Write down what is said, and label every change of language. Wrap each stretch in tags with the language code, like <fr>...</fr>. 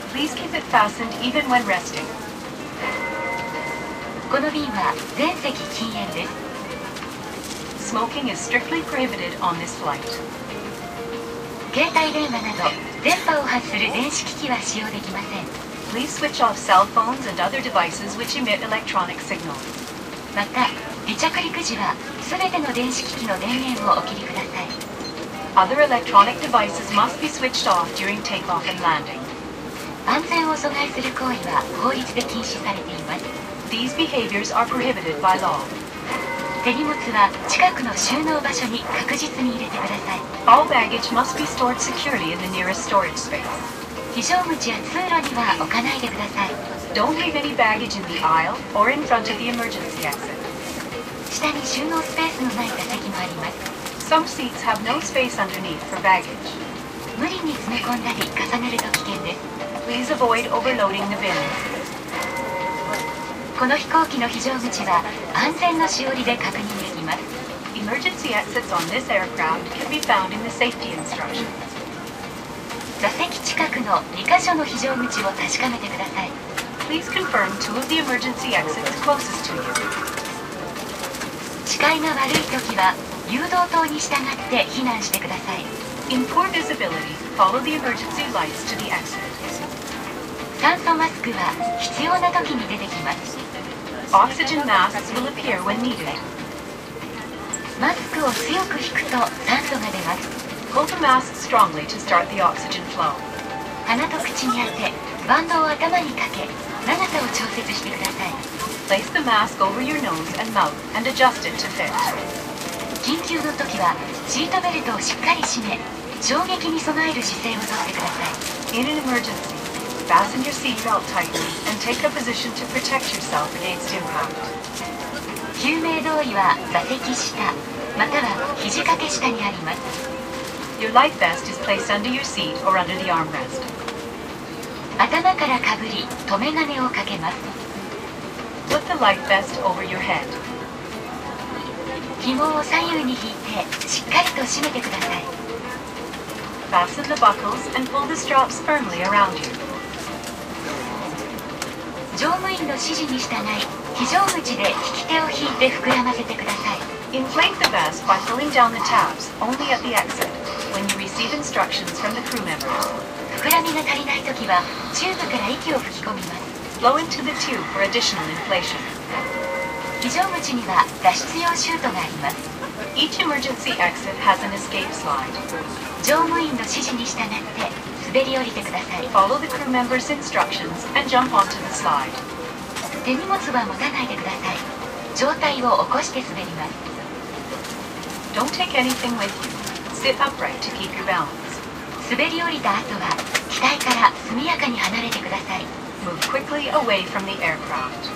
<en>Please keep it fastened even when resting.</en> <ja>この便は全席禁煙です。</ja> <en>Smoking is strictly prohibited on this flight.</en> <ja>携帯電話など電波を発する電子機器は使用できません。</ja> <en>Please switch off cell phones and other devices which emit electronic signal.</en> <ja>また、離着陸時は全ての電子機器の電源をお切りください。</ja> <en>Other electronic devices must be switched off during takeoff and landing.</en> <ja>安全を阻害する行為は法律で禁止されています。</ja> <en>These behaviors are prohibited by law.</en> <ja>手荷物は近くの収納場所に確実に入れてください。</ja> <en>All baggage must be stored securely in the nearest storage space.</en> <ja>非常口や通路には置かないでください。</ja> <en>Don't leave any baggage in the aisle or in front of the emergency exit.</en> <ja>下に収納スペースのない座席もあります。</ja> <en>Some seats have no space underneath for baggage.</en> <ja>無理に詰め込んだり重ねると危険です。</ja> <en>Please avoid overloading the bins.</en> <ja>この飛行機の非常口は安全のしおりで確認できます。</ja> <en>Emergency exits on this aircraft can be found in the safety instructions.</en> <ja>座席近くの2カ所の非常口を確かめてください。</ja> <en>Please confirm two of the emergency exits closest to you.</en> <ja>視界が悪い時は誘導灯に従って避難してください。</ja> <en>In poor visibility, follow the emergency lights to the exit.</en> <ja>酸素マスクは必要な時に出てきます。</ja> <en>Oxygen masks will appear when needed.</en> <ja>マスクを強く引くと酸素が出ます。</ja> <en>Hold the mask strongly to start the oxygen flow.</en> <ja>鼻と口に当て、バンドを頭にかけ、長さを調節してください。</ja> <en>Place the mask over your nose and mouth and adjust it to fit.</en> <ja>緊急の時はシートベルトをしっかり締め、衝撃に備える姿勢をとってください。</ja> <en>In an emergency. Fasten your seatbelt tightly and take a position to protect yourself against impact.</en> <ja>救命胴衣は座席下または肘掛け下にあります。</ja> <en>Your life vest is placed under your seat or under the armrest.</en> <ja>頭からかぶり留め金をかけます。</ja> <en>Put the life vest over your head.</en> <ja>紐を左右に引いてしっかりと締めてください。</ja> <en>Fasten the buckles and pull the straps firmly around you.</en> <ja>乗務員の指示に従い、非常口で引き手を引いて膨らませてください。</ja> <en>Inflate the vest by pulling down the tabs only at the exit when you receive instructions from the crew members.</en> <ja>膨らみが足りないときは、チューブから息を吹き込みます。</ja> <en>Blow into the tube for additional inflation.</en> <ja>非常口には脱出用シュートがあります。</ja> <en>Each emergency exit has an escape slide.</en> <ja>乗務員の指示に従って、滑り降りてください。</ja> <en>Follow the crew members' instructions and jump onto the slide.</en> <ja>手荷物は持たないでください。上体を起こして滑ります。</ja> <en>Don't take anything with you. Sit upright to keep your balance.</en> <ja>滑り降りた後は、機体から速やかに離れてください。</ja> <en>Move quickly away from the aircraft.</en>